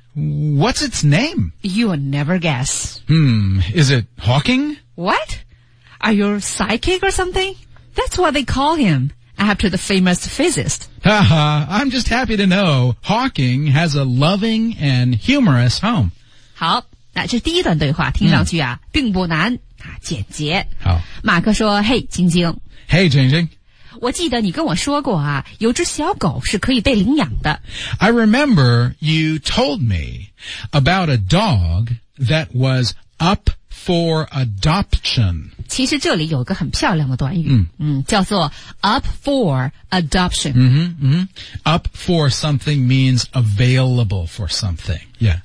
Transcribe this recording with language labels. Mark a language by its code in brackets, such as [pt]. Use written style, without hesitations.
[en] What's its name? You'll never guess. Is it Hawking? What? Are you a psychic or something? That's what they call him, after the famous physicist. Haha, I'm just happy to know Hawking has a loving and humorous home. [zh] 好那这第一段对话听上去啊、并不难啊简洁。好。马克说嘿晶晶。嘿晶晶。我记得你跟我说过啊有只小狗是可以被领养的。 [en] I remember you told me about a dog that was up for adoption. [zh] 其实这里有个很漂亮的短语、叫做 [en] up for adoption. Mm-hmm, mm-hmm. Up for something means available for something. Yeah.